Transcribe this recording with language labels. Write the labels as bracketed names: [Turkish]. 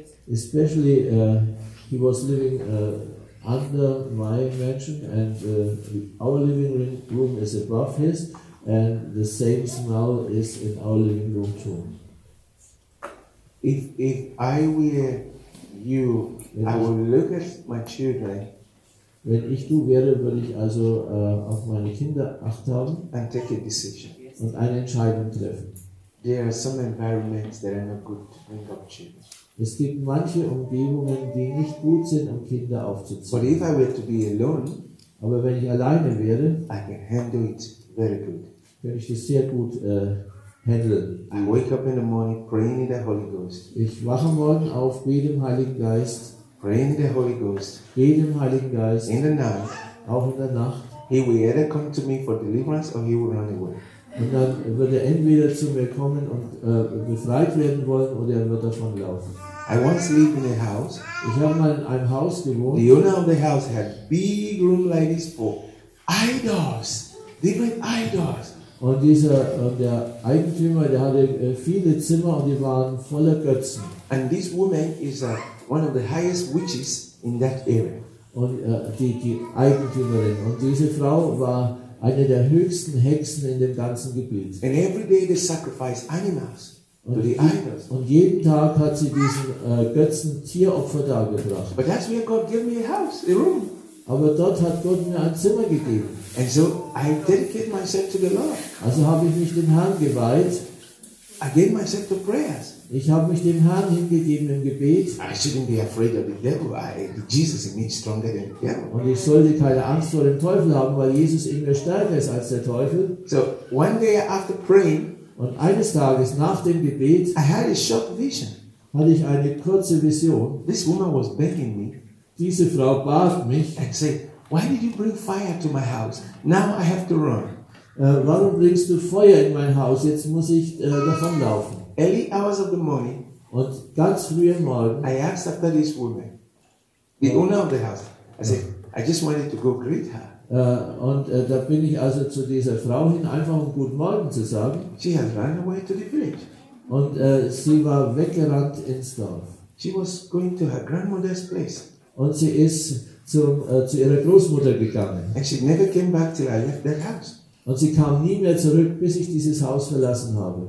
[English] Especially, he was living under my mansion, and our living room is above his, and the same smell is in our living room too. If I were you, I would look at my children. [German] Wenn ich du wäre, würde ich also auf meine Kinder acht haben. [English] And take a decision. [German] Und eine Entscheidung treffen. [English] There are some environments that are not good to bring up children. [German] Es gibt manche Umgebungen, die nicht gut sind, um Kinder aufzuziehen. [English] But if I were to be alone, [German] aber wenn ich alleine wäre, [English] I can handle it very good. [German] Könnte ich das sehr gut handeln. [English] I wake up in the morning praying in the Holy Ghost. [German] Ich wache morgen auf, bete im Heiligen Geist. [English] Praying in the Holy Ghost. [German] Bete im Heiligen Geist. [English] In the night. [German] Auch in der Nacht. [English] He will either come to me for deliverance or he will run away. [German] Und dann wird er entweder zu mir kommen und befreit werden wollen, oder er wird davon laufen. [English] I once lived in a house. [German] Ich habe mal in einem Haus gewohnt. [English] The owner of the house had big room like this for idols. Different idols. [German] Und dieser der Eigentümer, der hatte viele Zimmer und die waren voller Götzen. [English] And this woman is one of the highest witches in that area. [German] Und die Eigentümerin und diese Frau war eine der höchsten Hexen in dem ganzen Gebiet. [English] And every day they sacrifice animals to the idols. [German] Und jeden Tag hat sie diesen Götzen Tieropfer dargebracht. [English] But that's where God gave me a house, a room. [German] Aber dort hat Gott mir ein Zimmer gegeben. [English] And so I dedicated myself to the Lord. [German] Also habe ich mich dem Herrn geweiht. [English] I gave myself to prayers. [German] Ich habe mich dem Herrn hingegeben im Gebet. [English] I shouldn't be afraid of the devil. Jesus in me is stronger than the devil. [German] Und ich sollte keine Angst vor dem Teufel haben, weil Jesus in mir stärker ist als der Teufel. [English] So one day after praying, [German] und eines Tages nach dem Gebet, [English] I had a short vision. [German] Hatte ich eine kurze Vision. [English] This woman was begging me. [German] Diese Frau bat mich. [English] And said, "Why did you bring fire to my house? Now I have to run." [German] Warum bringst du Feuer in mein Haus? Jetzt muss ich davonlaufen. [English] Early hours of the morning. [German] Und ganz früh am Morgen. [English] I asked after this woman, the owner of the house. I said, I just wanted to go greet her. [German] Da bin ich also zu dieser Frau hin, einfach um guten Morgen zu sagen. [English] She had run away to the village. [German] Und sie war weggerannt ins Dorf. [English] She was going to her grandmother's place. [German] Und sie ist zu ihrer Großmutter gegangen. [English] And she never came back till I left that house. [German] Und sie kam nie mehr zurück, bis ich dieses Haus verlassen habe.